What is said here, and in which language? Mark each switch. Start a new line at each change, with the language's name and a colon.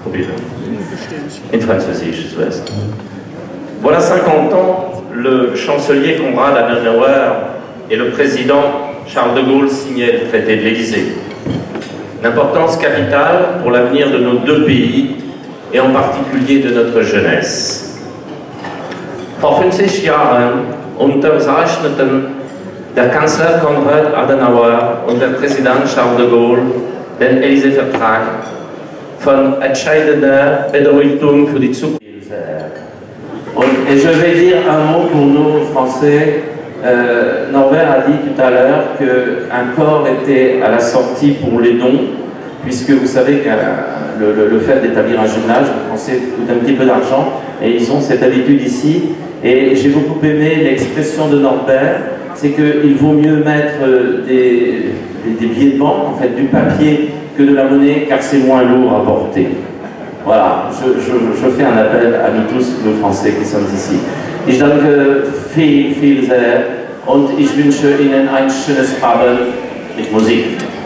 French: En français, je souhaite. Voilà 50 ans, le chancelier Konrad Adenauer et le président Charles de Gaulle signaient le traité de l'Elysée. L'importance capitale pour l'avenir de nos deux pays et en particulier de notre jeunesse.
German: Vor 50 Jahren unterzeichneten der Kanzler Konrad Adenauer und der Präsident Charles de Gaulle den Elysée-Vertrag von entscheidender Bedeutung für die Zukunft.
French: Et je vais dire un mot pour nous, Français. Norbert a dit tout à l'heure qu'un corps était à la sortie pour les dons, puisque vous savez que le fait d'établir un jumelage, les Français coûte un petit peu d'argent, et ils ont cette habitude ici. Et j'ai beaucoup aimé l'expression de Norbert, c'est qu'il vaut mieux mettre des billets de banque, en fait, du papier, que de la monnaie, car c'est moins lourd à porter. Voilà, je fais un appel à nous tous, nous Français qui sommes ici.
German: Ich danke viel, viel sehr und ich wünsche Ihnen ein schönes Abend mit Musik.